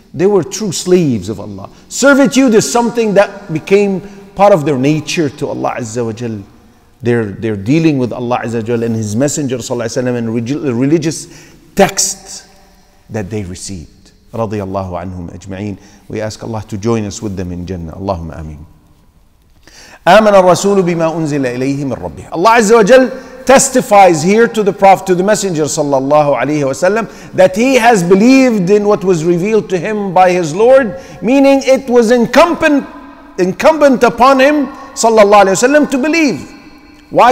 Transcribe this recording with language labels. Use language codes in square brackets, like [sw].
[en] They were true slaves of Allah. Servitude is something that became part of their nature to Allah Azza wa Jal. They're dealing with Allah Azza wa Jal and His Messenger Sallallahu Alaihi Wasallam and religious text that they received. Radiyallahu anhum ajma'in. We ask Allah to join us with them in Jannah. Allahumma ameen. [ar] آمن الرسول بما أنزل إليه من ربه. [en] Allah Azza wa Jal testifies here to the Prophet, to the Messenger Sallallahu Alaihi Wasallam, that he has believed in what was revealed to him by his Lord, meaning it was incumbent upon him sallallahu alaihi wasallam to believe. Why?